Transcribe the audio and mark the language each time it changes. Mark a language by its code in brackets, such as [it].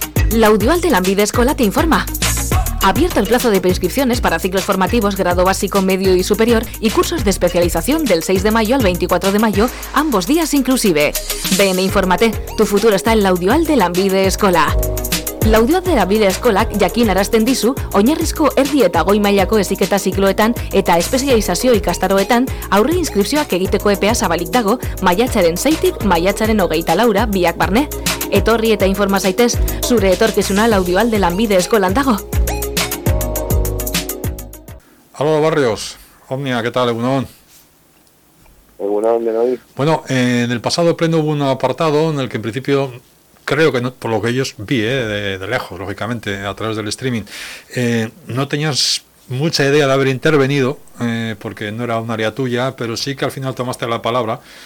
[es] Laudioal de Lambide Escola te informa. Abierto el plazo de preinscripciones para ciclos formativos, grado básico, medio y superior y cursos de especialización del 6 de mayo al 24 de mayo, ambos días inclusive. Ven e infórmate, tu futuro está en Laudioal de Lanbide Eskola. [eu] Laudioal de Lanbide Eskolak jakin arazten dizu, oinarrizko erdi eta goi mailako heziketa zikloetan eta espezializazio ikastaroetan aurre inskripzioak egiteko epea zabalik dago maiatzaren 6-tik maiatzaren 24-ra biak barne. Etorri eta informa zaitez, zure etorkizuna Laudioal de Lanbide Eskolan dago. [es] Hola Barrios, Omnia, ¿qué tal? [eu] Egunon. Egunon, [es] bien hoy. Bueno, en el pasado pleno hubo un apartado en el que en principio, creo que no, por lo que ellos vi, de lejos, lógicamente, a través del streaming, no tenías mucha idea de haber intervenido, porque no era un área tuya, pero sí que al final tomaste la palabra.